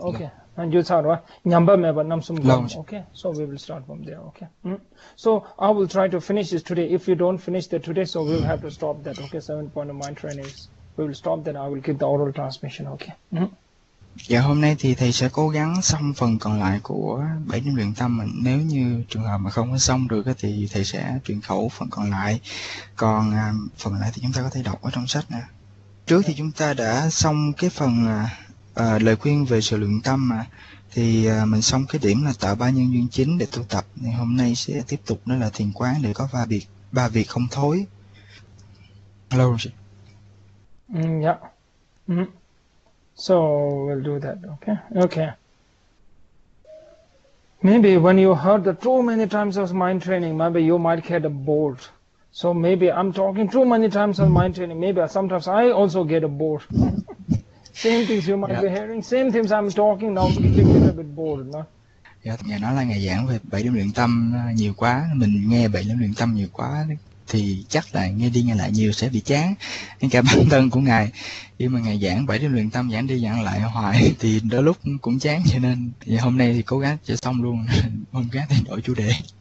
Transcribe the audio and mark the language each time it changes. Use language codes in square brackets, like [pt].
[en] okay, and you thought what nhamba me but nam sum lòng gom. Okay, so we will start from there. Okay, So I will try to finish this today. If you don't finish that today, so we will have to stop that. Okay, 7th point of mind training is we will stop that. I will keep the oral transmission. Okay. [vi] Dạ, hôm nay thì thầy sẽ cố gắng xong phần còn lại của 7 điểm luyện tâm, mà nếu như trường hợp mà không có xong được thì thầy sẽ truyền khẩu phần còn lại. Còn phần lại thì chúng ta có thể đọc ở trong sách nè. Trước thì chúng ta đã xong cái phần lời khuyên về sự luyện tâm, mà thì mình xong cái điểm là tạo ba nhân duyên chính để tu tập, thì hôm nay sẽ tiếp tục, đó là thiền quán để có ba việc không thối. [en] Hello. So we'll do that. Okay. Maybe when you heard the too many times of mind training, maybe you might get bored. So maybe I'm talking too many times on mind training. Maybe sometimes I also get bored. Same things you might Dạ. be hearing. Same things I'm talking now, I'm getting a little bit bored, no? [vi] Dạ, nhà nói là ngày giảng về 7 điểm luyện tâm nhiều quá, mình nghe 7 điểm luyện tâm nhiều quá thì chắc là nghe đi nghe lại nhiều sẽ bị chán, ngay cả bản thân của ngài. Nhưng mà ngài giảng 7 điểm luyện tâm giảng đi giảng lại hoài thì đôi lúc cũng chán, cho nên thì hôm nay thì cố gắng cho xong luôn, hôm khác thì đổi chủ đề.